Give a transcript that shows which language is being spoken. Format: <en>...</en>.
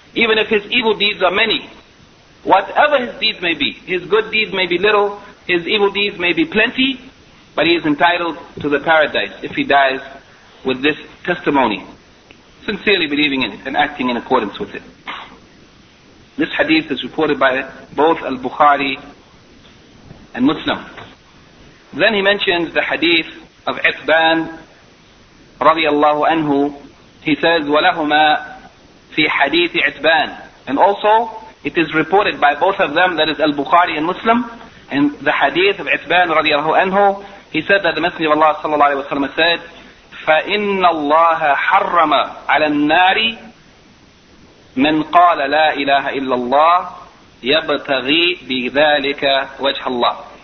<en>Even if his evil deeds are many, whatever his deeds may be, his good deeds may be little, his evil deeds may be plenty, but he is entitled to the paradise if he dies with this testimony, sincerely believing in it and acting in accordance with it. This hadith is reported by both Al-Bukhari and Muslim. Then he mentions the hadith of Itban</en> <ar>رضي الله عنه.</ar> <en>He says,</en> <ar>وَلَهُمَا فِي حَدِيثِ عِتْبَانِ.</ar> <en>And also, it is reported by both of them, that is Al-Bukhari and Muslim, and the hadith of Itban</en> <ar>رضي الله عنه,</ar> <en>he said that the Messenger of Allah</en> <ar>صلى الله عليه وسلم</ar> <en>said,</en> <ar>فَإِنَّ اللَّهَ حَرَّمَ عَلَى النَّارِ مَنْ قَالَ لَا إِلَهَ إِلَّا اللَّهِ يَبْتَغِي بِذَلِكَ وَجْهَ اللَّهِ.</ar>